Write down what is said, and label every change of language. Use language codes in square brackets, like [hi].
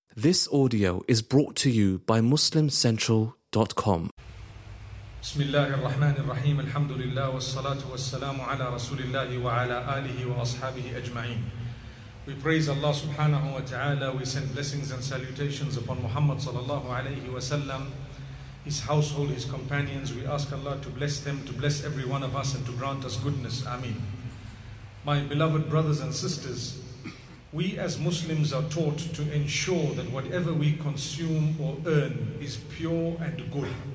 [en] This audio is brought to you by MuslimCentral.com. [ar] بسم الله الرحمن الرحيم الحمد لله والصلاة والسلام على رسول الله وعلى آله وأصحابه أجمعين. [en] We praise Allah subhanahu wa ta'ala. We send blessings and salutations upon Muhammad sallallahu alayhi wa sallam, his household, his companions. We ask Allah to bless them, to bless every one of us, and to grant us goodness. Ameen. My beloved brothers and sisters, we as Muslims are taught to ensure that whatever we consume or earn is pure and good.